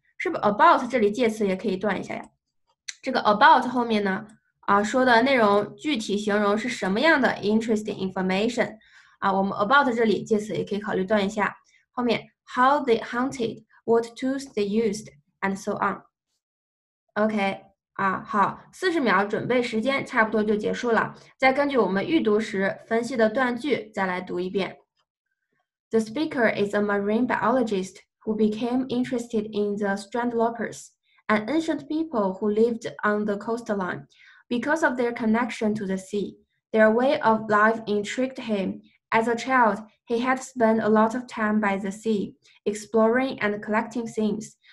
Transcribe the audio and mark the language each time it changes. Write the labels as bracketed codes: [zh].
[zh] 是不是 about 这里介词也可以断一下呀？这个 about 后面呢，啊，说的内容具体形容是什么样的 interesting information 啊？我们 about 这里介词也可以考虑断一下。后面 [en] how they hunted, what tools they used, and so on. OK. [zh] 啊，好，四十秒准备时间差不多就结束了。再根据我们预读时分析的断句，再来读一遍。 [en] The speaker is a marine biologist who became interested in the strandlopers, an ancient people who lived on the coastline. Because of their connection to the sea, their way of life intrigued him. As a child, he had spent a lot of time by the sea, exploring and collecting things.